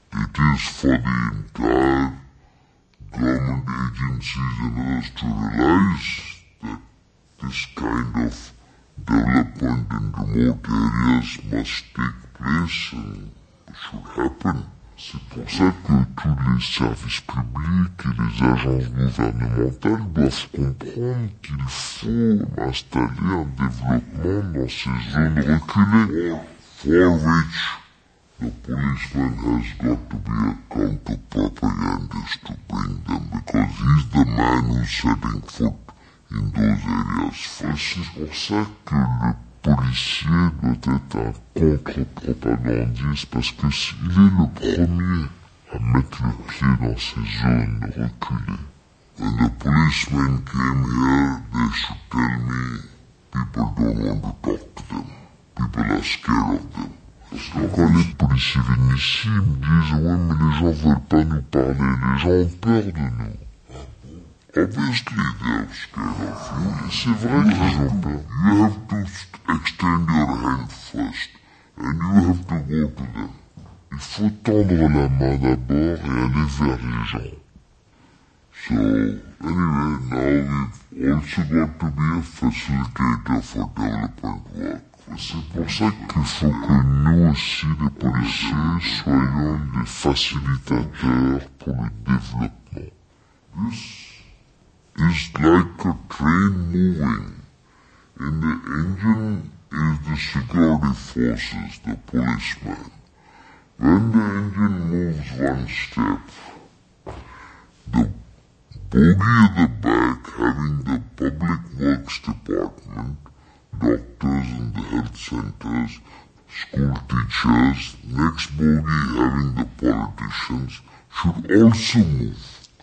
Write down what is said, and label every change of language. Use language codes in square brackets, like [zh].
[en] It is for the entire government agencies and others to realize that this kind of development in remote areas must take place and should happen. [fr] C'est pour ça que tous les services publics et les agences gouvernementales doivent comprendre qu'il faut installer un développement dans ces zones reculées. [en] For which the policeman has got to be a counter-propagandist to bring them, because he's the man who's setting foot. [fr] C'est pour ça que le policier doit être un contre-propagandiste, parce que il est le premier à mettre le pied dans ces zones reculées. [en] When the policemen came here, they should tell me people don't want to talk to them. People are scared of them. [fr] Quand les policiers viennent ici, ils me disent ouais, mais les gens veulent pas nous parler, les gens ont peur de nous. [en] Obviously, they're scared of you. [fr] C'est vrai qu'ils ont peur. [en] You have to extend your hand first, and you have to go to them. [fr] Il faut tendre la main d'abord et aller vers les gens. [en] So, anyway, now we've also got to be a facilitator for development work. [fr] C'est pour ça qu'il faut que nous aussi, les policiers, soyons des facilitateurs pour le développement. [en] It's like a train moving, and the engine is the security forces, the policeman. When the engine moves one step, the bogie in the back, having the public works department, doctors in the health centers, school teachers, next bogie having the politicians, should also move.